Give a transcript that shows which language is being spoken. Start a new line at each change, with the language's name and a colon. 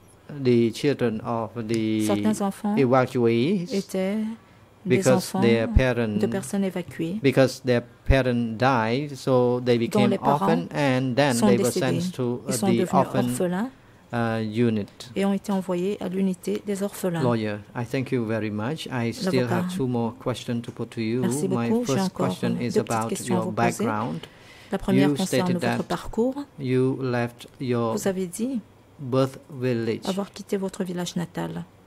English: the children of the evacuees because their parents,
French: de personnes évacuées,
English: because their parents died, so they became orphan, and then they were sent to the orphan unit.
French: Et ont été envoyés à l'unité des orphelins.
English: Lawyer, I thank you very much. I still have two more questions to put to you. My first question is about your background.
French: La première concerne votre parcours.
English: You left your
French: vous avez dit
English: birth village.
French: Avoir quitté votre village natal.